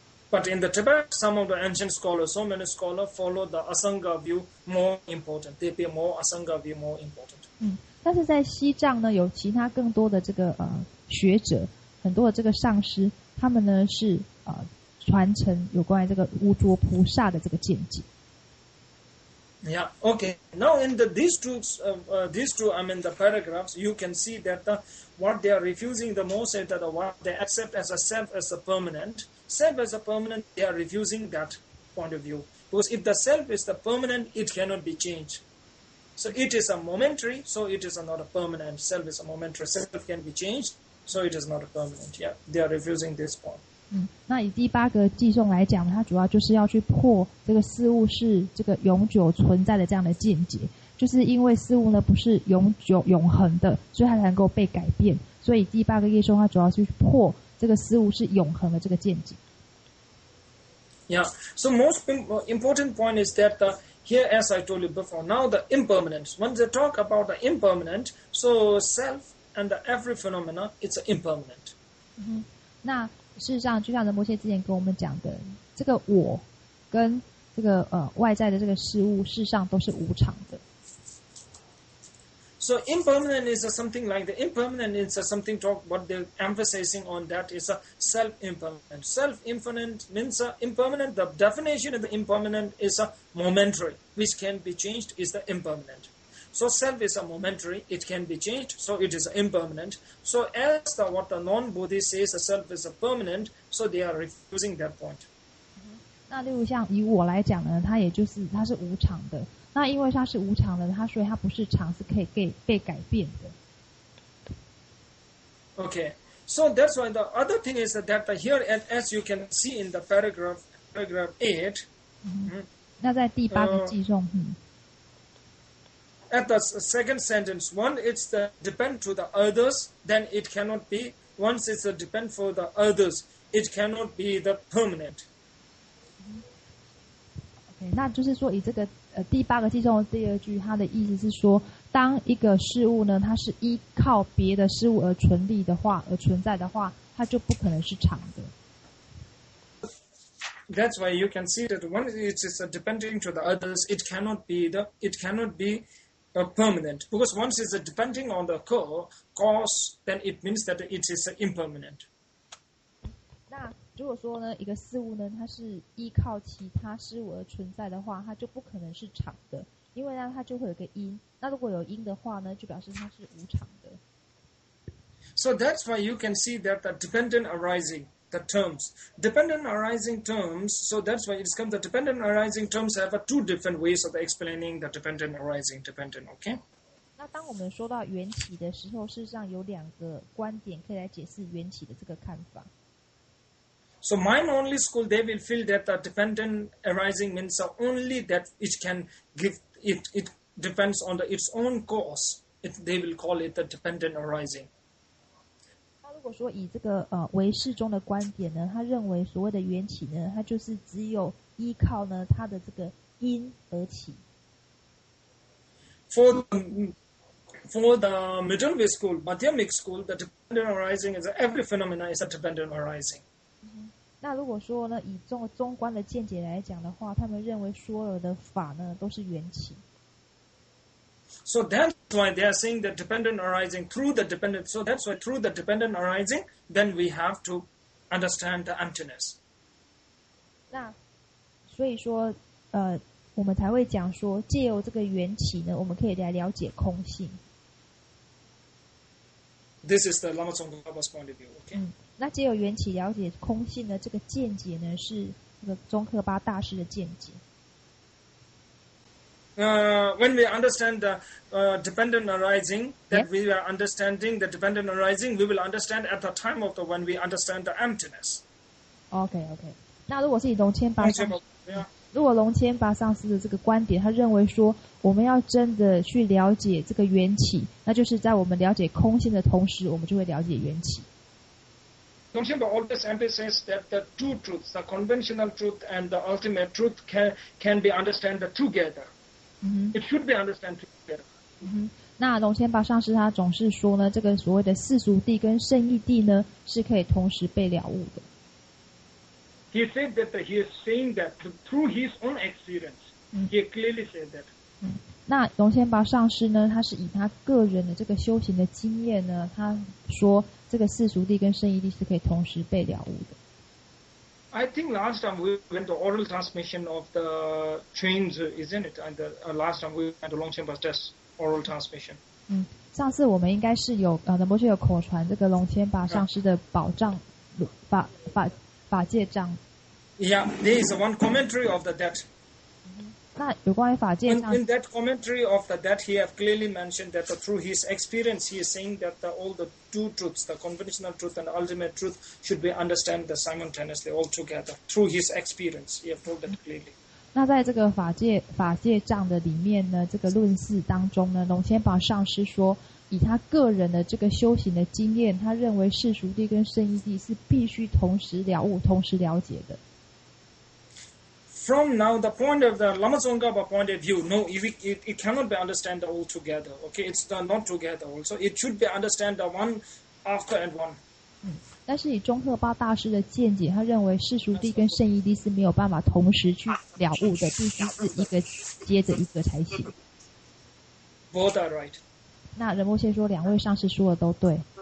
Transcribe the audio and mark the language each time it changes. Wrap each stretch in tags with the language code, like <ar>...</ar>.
<en>But in the Tibet, some of the ancient scholars, so many scholars follow the Asanga view more important. They be more Asanga view more important.</en> <zh>但是在西藏呢，有其他更多的这个学者，很多的这个上师，他们呢是传承有关于这个五浊菩萨的这个见解。</zh> <en>Yeah. Okay. Now, in the paragraphs, you can see that the, what they are refusing the most is that what they accept as a self as a permanent. Self as a permanent, they are refusing that point of view because if the self is the permanent, it cannot be changed. So it is a momentary. So it is not a permanent. Self is a momentary. Self can be changed. So it is not a permanent. Yeah. They are refusing this point.</en> <zh>那以第八个偈颂来讲，它主要就是要去破这个事物是这个永久存在的这样的见解，就是因为事物呢不是永久永恒的，所以它才能够被改变。所以第八个偈颂它主要是去破这个事物是永恒的这个见解。</zh> <en>Yeah, so most important point is that here, as I told you before, now the impermanent. When they talk about the impermanent, so self and every phenomena, it's impermanent.</en> <zh>那事实上，就像仁波切之前跟我们讲的，这个我跟这个外在的这个事物，事实上都是无常的。</zh> <en>So impermanent is something like the impermanent is something talk what they're emphasizing on that is a self impermanent. Self impermanent means impermanent. The definition of the impermanent is a momentary, which can be changed. Is the impermanent. So self is a momentary; it can be changed. So it is impermanent. So as the what the non-Buddhist says, the self is a permanent. So they are refusing that point.</en> <zh>那例如像以我来讲呢，它也就是它是无常的。那因为它是无常的，它所以它不是常，是可以被改变的。</zh> <en>Okay. So that's why the other thing is that here, as you can see in the paragraph 8,</en> <zh>那在第八个偈颂，</zh> <en>at the second sentence, one, it's the depend to the others, then it cannot be, once it's a depend for the others, it cannot be the permanent.</en> <zh>Okay, 那就是说以这个第八个偈颂的第二句，它的意思是说，当一个事物呢，它是依靠别的事物而存立的话，而存在的话，它就不可能是常的。</zh> <en>That's why you can see that one is just depending to the others, it cannot be permanent. Because once it's depending on the cause, then it means that it is impermanent.</en> <zh>那如果说呢，一个事物呢，它是依靠其他事物而存在的话，它就不可能是常的。因为呢，它就会有个因。那如果有因的话呢，就表示它是无常的。</zh> <en>So that's why you can see that the dependent arising, the terms. Dependent arising terms, so that's why it's come, the dependent arising terms have two different ways of explaining the dependent arising dependent, okay?</en> <zh>那当我们说到缘起的时候，事实上有两个观点可以来解释缘起的这个看法。</zh> <en>So mind only school, they will feel that the dependent arising means only that it can give, it depends on the, its own cause. It, they will call it the dependent arising.</en> <zh>那如果说以这个唯识中的观点呢，他认为所谓的缘起呢，它就是只有依靠呢它的这个因而起。</zh> <en>For the Madhyamic school, Madhyamic school, the dependent arising is every phenomenon is a dependent arising.</en> <zh>那如果说呢，以中观的见解来讲的话，他们认为所有的法呢都是缘起。</zh> <en>So that's why they are saying the dependent arising through the dependent. So that's why through the dependent arising, then we have to understand the emptiness.</en> <zh>那所以说，我们才会讲说，借由这个缘起呢，我们可以来了解空性。</zh> <en>This is the Lama Tsongkhapa's point of view. Okay.</en> <zh>那借由缘起了解空性的这个见解呢，是这个宗喀巴大师的见解。</zh> <en>When we understand the dependent arising, that we are understanding the dependent arising, we will understand at the time of the when we understand the emptiness. Okay, okay.</en> <zh>那如果是以龙谦巴上师，如果龙谦巴上师的这个观点，他认为说，我们要真的去了解这个缘起，那就是在我们了解空性的同时，我们就会了解缘起。</zh> <en>Longchenpa always emphasizes that the two truths, the conventional truth and the ultimate truth, can be understood together.、 Mm-hmm. It should be understood together.、</en> <zh>Mm-hmm. 那Longchenpa上师他总是说呢，这个所谓的世俗谛跟圣义谛呢，是可以同时被了悟的。</zh> <en>He said that he is saying that through his own experience.、 Mm-hmm. He clearly said that.、 Mm-hmm.</en> <zh>那龙谦巴上师呢，他是以他个人的这个修行的经验呢，他说这个世俗谛跟圣义谛是可以同时被了悟的。</zh> <en>I think last time we went to oral transmission of the trains, isn't it? And the, last time we went to Longchenpa's test oral transmission.</en> <zh>嗯，上次我们应该是有能不是有口传这个龙谦巴上师的宝藏法界藏。</zh> <en>Yeah, there is one commentary of the text.</en> <zh>那有关于法界上</zh> <en>in that commentary of that he have clearly mentioned that through his experience he is saying that all the two truths, the conventional truth and the ultimate truth, should be understood simultaneously all together through his experience. He have told that clearly.</en> <zh>那在这个法界藏的里面呢，这个论释当中呢，龙谦巴上师说，以他个人的这个修行的经验，他认为世俗谛跟圣义谛是必须同时了悟、同时了解的。</zh> <en>From now, the point of the Lama Tsongkhapa point of view, no, it cannot be understood all together. Okay, it's not together. Also, it should be understood one after and one.</en> <zh>但是以宗喀巴大师的见解，他认为世俗谛跟圣义谛是没有办法同时去了悟的，必须是一个接着一个才行。</zh> <en>Both are right.</en> <zh>那仁波切说，两位上师说的都对。</zh>